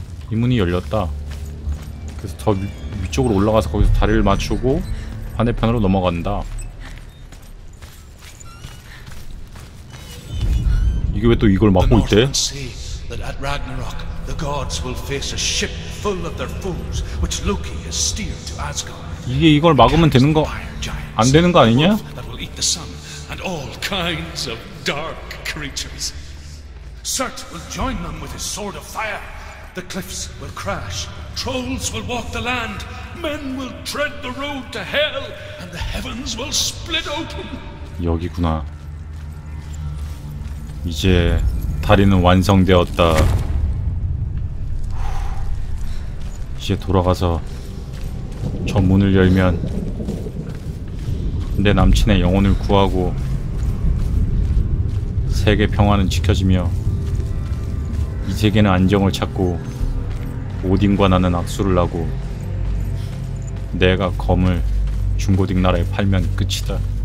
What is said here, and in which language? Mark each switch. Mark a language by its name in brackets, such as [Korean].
[Korean] 이 문이 열렸다. 그래서 더 위쪽으로 올라가서 거기서 다리를 맞추고 반대편으로 넘어간다. 이게 왜 또 이걸 막고 있대? [English] At Ragnarok, the gods will face a ship full of their fools, which Loki has steered to Asgard. [Korean] 이게 이걸 막으면 되는 거 안 되는 거 아니냐? [English] That will eat the sun and all kinds of dark creatures. Surt will join them with his sword of fire. The cliffs will crash. Trolls will walk the land. Men will tread the road to hell, and the heavens will split open. [Korean] 여기구나. 이제 다리는 완성되었다. 이제 돌아가서 저 문을 열면 내 남친의 영혼을 구하고 세계 평화는 지켜지며 이 세계는 안정을 찾고 오딘과 나는 악수를 하고 내가 검을 중고딕 나라에 팔면 끝이다.